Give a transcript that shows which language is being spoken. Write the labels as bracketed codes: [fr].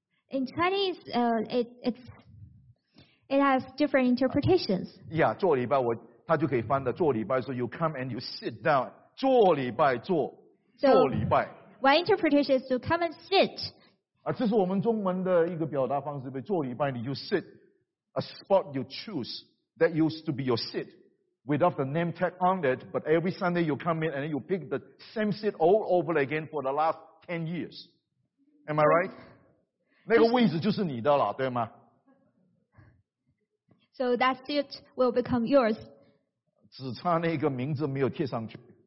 [en] In Chinese, it has different interpretations. Yeah, [zh] 做礼拜它就可以翻的，做礼拜说、 [en] so、you come and you sit down, [zh] 做礼拜做礼拜。 [en] One interpretation is to come and sit. [zh] 这是我们中文的一个表达方式，做礼拜你就 sit. [en] A spot you choose that used to be your seat without the name tag on it, but every Sunday you come in and you pick the same seat all over again for the last 10 years. Am I right? [zh] 那个位置就是你的了，对吗？ [en] So that seat will become yours. [zh] 只差那个名字没有贴上去。